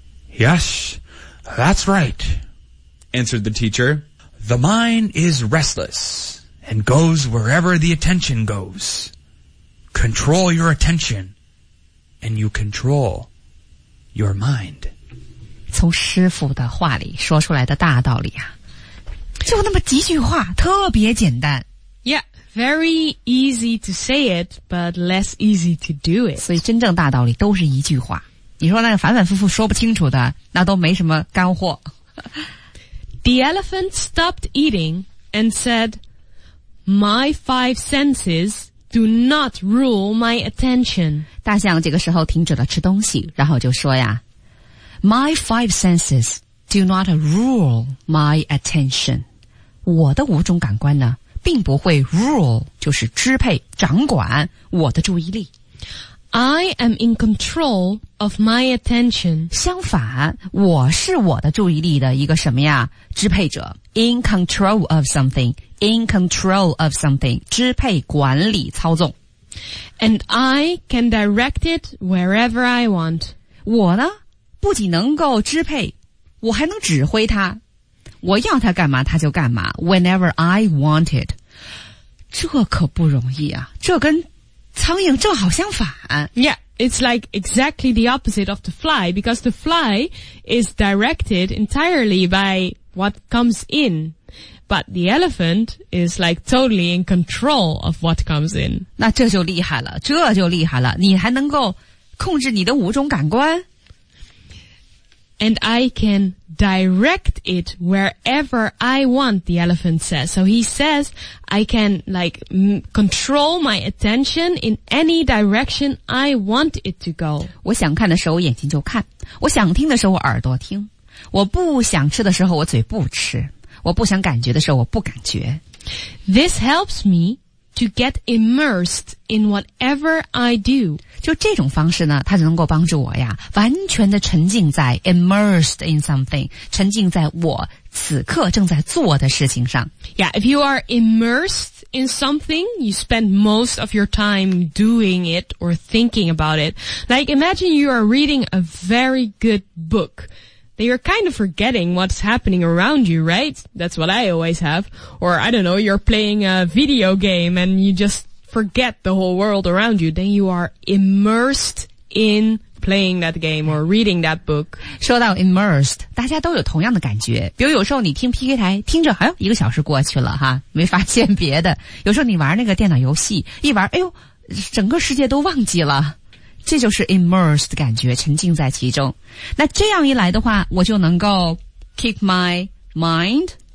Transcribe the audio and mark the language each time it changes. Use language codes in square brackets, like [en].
[en] Yes, that's right, answered the teacher. The mind is restless and goes wherever the attention goes. Control your attention, and you control your mind. [zh] 从师父的话里说出来的大道理啊，就那么几句话，特别简单。 [en] Yeah, very easy to say it, but less easy to do it. [zh] 所以真正大道理都是一句话。你说那个反反复复说不清楚的，那都没什么干货。 [en] The elephant stopped eating and said, "My five senses do not rule my attention." [zh] 大象这个时候停止了吃东西，然后就说呀。 [en] My five senses do not rule my attention. [zh] 我的五种感官呢，并不会 rule, 就是支配、掌管我的注意力。 [en] I am in control of my attention. [zh] 相反，我是我的注意力的一个什么呀？支配者。 [en] In control of something. In control of something. [zh] 支配、管理、操纵。 [en] And I can direct it wherever I want. [zh] 我呢？不仅能够支配，我还能指挥他，我要他干嘛他就干嘛， [en] whenever I want it. [zh] 这可不容易啊，这跟苍蝇正好相反。 [en] Yeah, it's like exactly the opposite of the fly, because the fly is directed entirely by what comes in, but the elephant is like totally in control of what comes in. [zh] 那这就厉害了，这就厉害了，你还能够控制你的五种感官。 [en] And I can direct it wherever I want, the elephant says. So he says, I can like control my attention in any direction I want it to go. [zh] 我想看的时候我眼睛就看，我想听的时候我耳朵听，我不想吃的时候我嘴不吃，我不想感觉的时候我不感觉。 [en] This helps me to get immersed in whatever I do. [zh] 就这种方式呢，它就能够帮助我呀，完全的沉浸在 [en] immersed in something, [zh] 沉浸在我此刻正在做的事情上。 [en] Yeah, if you are immersed in something, you spend most of your time doing it or thinking about it. Like, imagine you are reading a very good book. Then you're kind of forgetting what's happening around you, right? That's what I always have. Or, I don't know, you're playing a video game and you just forget the whole world around you. Then you are immersed in playing that game or reading that book. [zh] 说到 immersed, 大家都有同样的感觉。比如有时候你听 PK 台听着，哎呦，一个小时过去了哈，没发现别的。有时候你玩那个电脑游戏，一玩，哎呦，整个世界都忘记了。这就是 immersed 的感觉，沉浸在其中。那这样一来的话，我就能够 [en] keep my mind